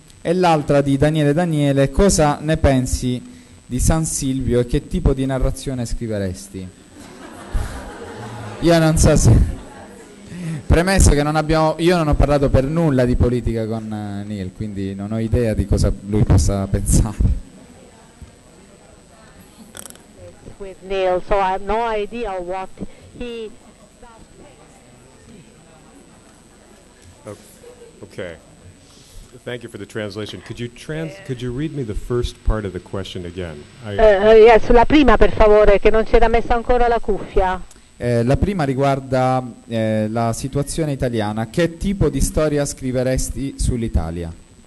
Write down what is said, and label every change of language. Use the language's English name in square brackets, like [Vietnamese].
[Italian] E l'altra di Daniele Daniele, cosa ne pensi di San Silvio e che tipo di narrazione scriveresti? Io non so se... Premesso che non abbiamo... Io non ho parlato per nulla di politica con Neil, quindi non ho idea di cosa lui possa pensare. [English] With Neil, so I have no idea what he... Okay. Thank you for the translation. Could you read me the first part of the question again? [Italian] Yes, la prima, per favore, che non c'era messa ancora la cuffia. La prima riguarda la situazione italiana. Che tipo di storia scriveresti sull'Italia?